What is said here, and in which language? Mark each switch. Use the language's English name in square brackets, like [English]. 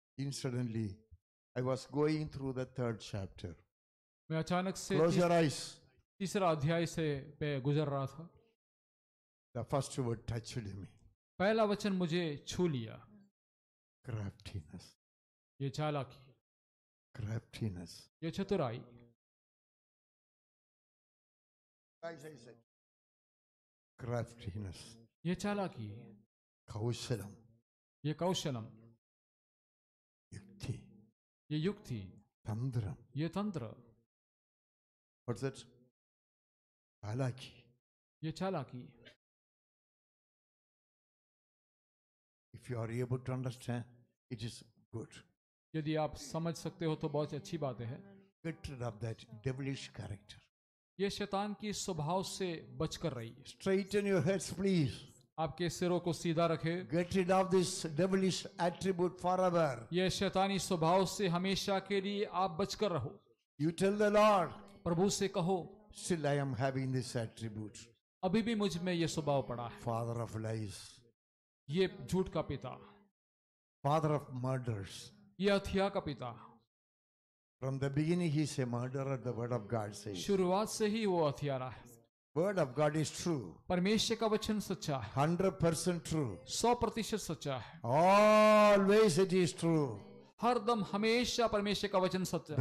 [English] Suddenly, I was going through the third chapter. [Hindi] मैं अचानक से [English] close your eyes. [Hindi] तीसरा अध्याय से मैं गुजर रहा था. [English] The first word touched me. [Hindi] पहला वचन मुझे छू लिया. [English] Craftiness. [Hindi] ये चालाकी. [English] Craftiness. [Hindi] ये चतुराई. [English] Craftiness. [Hindi] ये चालाकी. कौशलम. ये कौशलम. युक्ति. ये युक्ति. तंत्र. ये तंत्र. [English] What's it? चालाकी. [Hindi] ये चालाकी. [English] If you are able to understand, it is good. [Hindi] यदि आप समझ सकते हो तो बहुत अच्छी बात है. [English] Get rid of that devilish character. [Hindi] ये शैतान की स्वभाव से बचकर रहिए. [English] Straighten your heads, please. [Hindi] आपके सिरों को सीधा रखे. [English] Get rid of this devilish attribute forever. [Hindi] ये शैतानी स्वभाव से हमेशा के लिए आप बचकर रहो. [English] You tell the Lord. [Hindi] प्रभु से कहो. [English] Still I am having this attribute. [Hindi] अभी भी मुझ में ये स्वभाव पड़ा है. [English] Father of lies. [Hindi] ये झूठ का पिता. [English] Father of murders. [Hindi] ये हत्या का पिता. [English] From the beginning, he is a murderer, the word of God says. [Hindi] शुरुआत से ही वो हत्यारा है. [English] Word of God is true. [Hindi] परमेश्वर का वचन सच्चा है. [English] 100% true. [Hindi] 100% सच्चा है. [English] Always it is true. [Hindi] हरदम हमेशा परमेश्वर का वचन सत्य है.